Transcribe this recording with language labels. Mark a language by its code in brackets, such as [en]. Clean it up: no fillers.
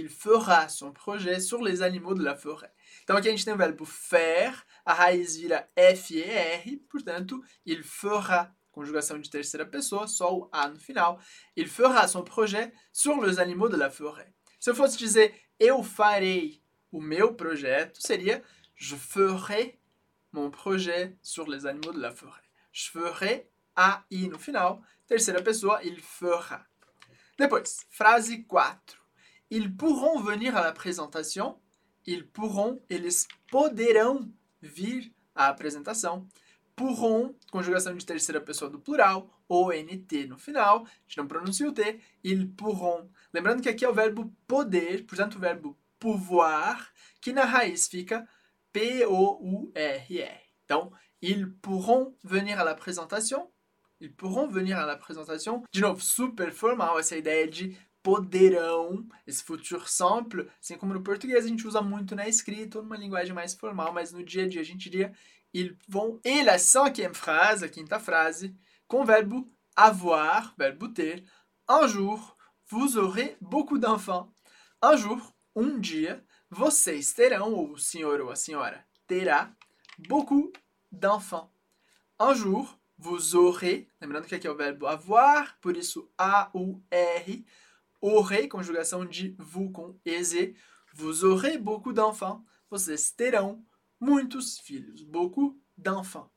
[fr] Il fera son projet sur les animaux de la forêt. [pt] Então aqui a gente tem o verbo faire, a raiz vira FER, portanto, il fera, conjugação de terceira pessoa, só o A no final. [fr] Il fera son projet sur les animaux de la forêt. [pt] Se eu fosse dizer eu farei o meu projeto, seria [fr] je ferai mon projet sur les animaux de la forêt. Je ferai. [pt] A-I no final, terceira pessoa, il fera. Depois, frase 4. [fr] Ils pourront venir à la présentation. Ils pourront, [pt] eles poderão vir à apresentação. Pourront, conjugação de terceira pessoa do plural, ou NT no final, a gente não pronuncia o T, [fr] ils pourront. [pt] Lembrando que aqui é o verbo poder, portanto, o verbo pouvoir, que na raiz fica P-O-U-R-R. [fr] Então, ils pourront venir à la présentation. Ils pourront venir à la présentation. [pt] De novo, super formal, essa ideia de poderão, esse futur simple, assim como no português a gente usa muito na escrita, ou numa linguagem mais formal, mas no dia a dia a gente diria [fr] ils vont. [pt] E [fr] la cinquième phrase, [pt] a quinta frase, com o verbo avoir, verbo ter. [fr] Un jour, vous aurez beaucoup d'enfants. Un jour, [pt] um dia, vocês terão, ou o senhor ou a senhora terá, [fr] beaucoup d'enfants. Un jour, vous aurez, [pt] lembrando que aqui é o verbo avoir, por isso A-U-R, aurez, conjugação de vous com EZ, [fr] vous aurez beaucoup d'enfants, [pt] vocês terão muitos filhos, [fr] beaucoup d'enfants.